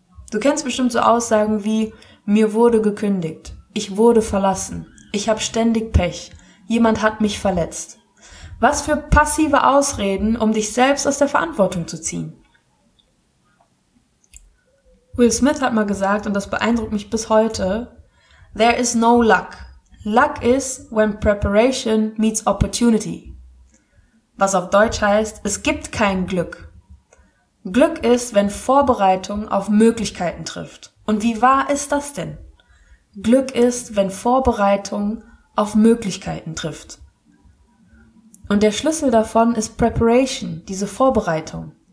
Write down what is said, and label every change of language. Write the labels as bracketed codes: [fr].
[de] Du kennst bestimmt so Aussagen wie, mir wurde gekündigt, ich wurde verlassen, ich habe ständig Pech, jemand hat mich verletzt. Was für passive Ausreden, um dich selbst aus der Verantwortung zu ziehen. Will Smith hat mal gesagt, und das beeindruckt mich bis heute, [en] there is no luck. Luck is when preparation meets opportunity. [de] Was auf Deutsch heißt, es gibt kein Glück. Glück ist, wenn Vorbereitung auf Möglichkeiten trifft. Und wie wahr ist das denn? Glück ist, wenn Vorbereitung auf Möglichkeiten trifft. Und der Schlüssel davon ist Preparation, diese Vorbereitung.